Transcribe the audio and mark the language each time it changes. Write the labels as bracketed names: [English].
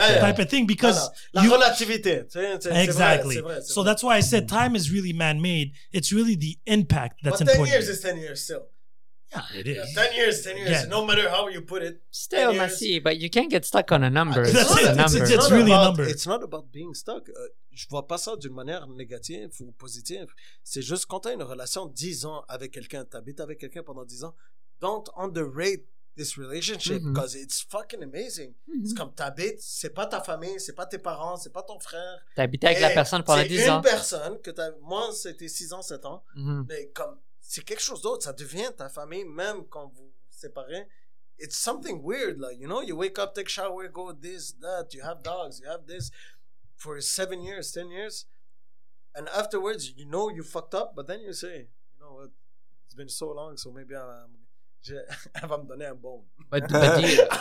[English] type of thing. Because [French] la relativité. [English] Exactly. So that's why I said time is really man-made. It's really the impact that's important. But 10 years is 10 years still. Yeah, it is. 10 years. Yeah. No matter how you put it, still messy. But you can't get stuck on a number. It's really a number. It's not about being stuck. [French] Je vois pas ça d'une manière négative ou positive. C'est juste quand t'as une relation 10 ans avec quelqu'un, t'habites avec quelqu'un pendant 10 ans. [English] Don't underrate this relationship because it's fucking amazing. Mm-hmm. [French] C'est comme t'habites, c'est pas ta famille, c'est pas tes parents, c'est pas ton frère. T'habites avec la personne pendant 10 ans. C'est une personne que t'as. Moi, c'était 6 ans, 7 ans. Mm-hmm. Mais comme c'est quelque chose d'autre, ça devient ta famille même quand vous séparez. [English] It's something weird, like, you know, you wake up, take shower, go this, that, you have dogs, you have this for 7 years, 10 years, and afterwards you know you fucked up, but then you say, you know what, it's been so long, so maybe I'm [French] donner un [English] bone.